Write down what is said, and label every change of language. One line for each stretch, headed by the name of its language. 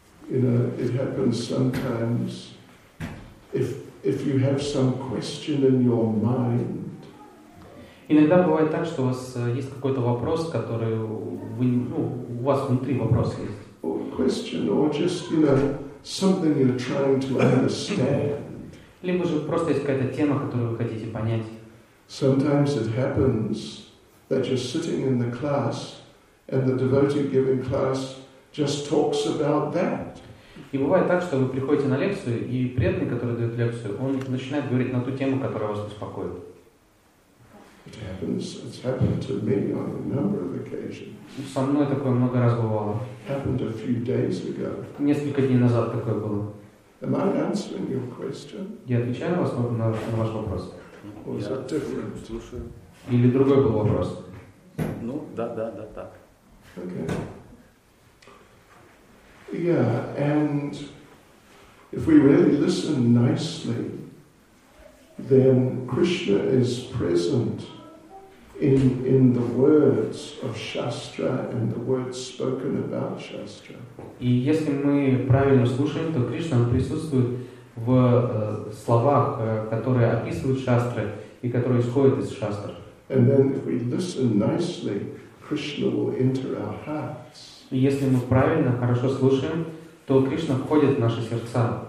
English: You know, it happens sometimes if you have some question in your mind.
Russian: Иногда бывает так, что у вас есть какой-то вопрос, который вы, ну, у вас внутри вопрос есть.
English: question or just, you know, something you're trying to understand.
Russian: Либо же просто есть какая-то тема, которую вы хотите понять.
English: Sometimes it happens that you're sitting in the class and the devotee giving class just talks about that.
Russian: И бывает так, что вы приходите на лекцию, и преданный, который дает лекцию, он начинает говорить на ту тему, которая вас беспокоит.
English: It happens. It's happened to me on a number of occasions.
Russian: Со мной такое много раз бывало.
English: Happened a few days ago.
Russian: Несколько дней назад такое было.
English: Am I answering your question?
Russian: Я отвечаю вас на ваш вопрос.
English: Was it different?
Russian: Слушаю. Или другой был вопрос? Ну, да, так.
English: Okay. Yeah, and if we really listen nicely, then Krishna is present in the words of Shastra and the words spoken about Shastra.
Russian: И если мы правильно слушаем, то Кришна присутствует в словах, которые описывают Шастры и которые исходят из Шастр.
English: And then if we listen nicely, Krishna will enter our hearts.
Russian: И если мы правильно, хорошо слушаем, то Кришна входит в наши сердца.